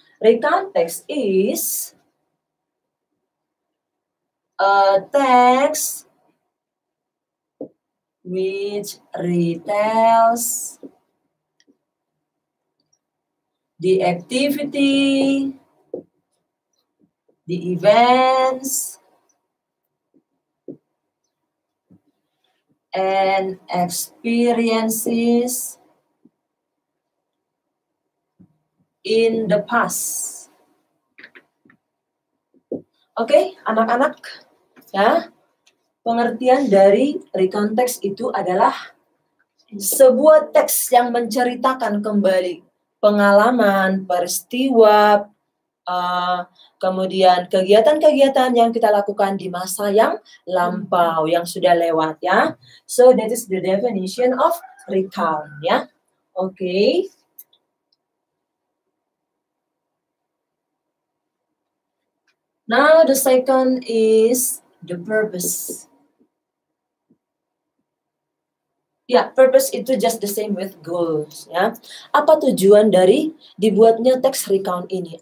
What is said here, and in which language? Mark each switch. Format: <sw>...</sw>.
<en>Recount text is a text which retells the activity, the events, and experiences in the past.</en> <id>Okay, anak-anak, ya. Pengertian dari recount text itu adalah sebuah teks yang menceritakan kembali pengalaman, peristiwa, kemudian kegiatan-kegiatan yang kita lakukan di masa yang lampau, yang sudah lewat ya.</id> <en>So that is the definition of recount ya. Okay. Now the second is the purpose. Ya, purpose itu just the same with goals, ya.</en> <id>Apa tujuan dari dibuatnya text recount ini?</id>